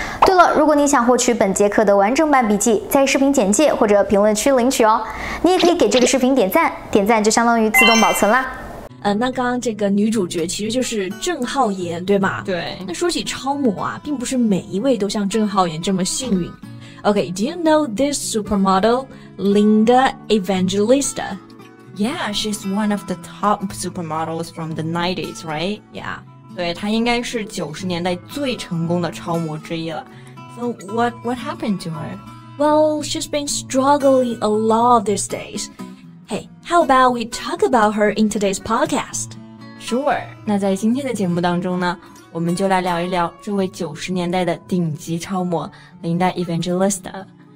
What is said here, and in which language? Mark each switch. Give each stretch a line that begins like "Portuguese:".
Chinese: 对了，如果你想获取本节课的完整版笔记，在视频简介或者评论区领取哦。你也可以给这个视频点赞，点赞就相当于自动保存啦。那刚刚这个女主角其实就是郑浩妍，对吗？对。那说起超模啊，并不是每一位都像郑浩妍这么幸运。
English: Okay, do you know this supermodel, Linda Evangelista? Yeah, she's one of the top supermodels from the 90s, right? Yeah.
Chinese: 对，她应该是90年代最成功的超模之一了。
English: So what happened to her? Well, she's been struggling a lot these days. Hey, how about we talk about her in today's podcast?
Chinese: Sure. 那在今天的节目当中呢，我们就来聊一聊这位90年代的顶级超模 Linda Evangelista.